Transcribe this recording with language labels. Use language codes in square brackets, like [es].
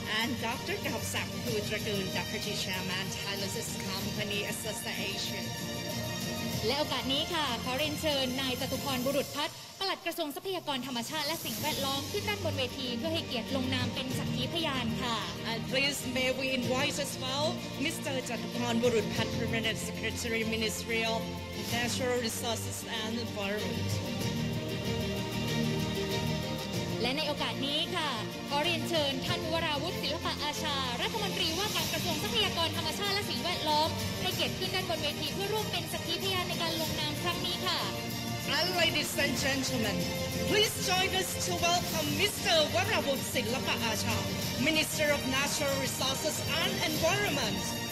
[en] And Dr. กอบศักดิ์ ภูตระกูล Deputy Chairman, Thailand's Company Association. [th] และโอกาสนี้ค่ะขอเรียนเชิญนายจตุพรบุรุษพัฒน์ปลัดกระทรวงทรัพยากรธรรมชาติและสิ่งแวดล้อมขึ้นด้านบนเวทีเพื่อให้เกียรติลงนามเป็นสักขีพยานค่ะ [en] And please may we invite as well Mr. จตุพรบุรุษพัฒน์ Permanent Secretary Ministry of Natural Resources and Environment [th] และในโอกาสนี้ค่ะขอเรียนเชิญท่านวราวุธศิลปะอาชารัฐมนตรีว่าการกระทรวงทรัพยากรธรรมชาติและสิ่งแวดล้อมให้เกียรติขึ้นด้านบนเวทีเพื่อร่วมเป็นสักขีพยานในการลงนามครั้งนี้ค่ะ [en] And ladies and gentlemen, please join us to welcome Mr. Warawut Silapa Acha, Minister of Natural Resources and Environment.